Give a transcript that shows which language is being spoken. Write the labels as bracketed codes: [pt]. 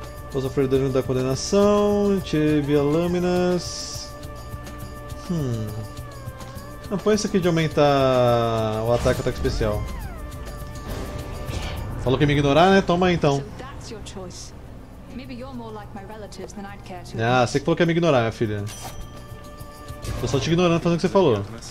[pt] Após sofrer o dano da condenação, tive lâminas. Não, põe isso aqui de aumentar o ataque, ataque especial. Falou que ia me ignorar, né? Toma aí, então. [en] Maybe you're more like my relatives than I'd care to. [pt] Ah, você que falou que ia me ignorar, minha filha. Tô só te ignorando, fazendo o que você falou.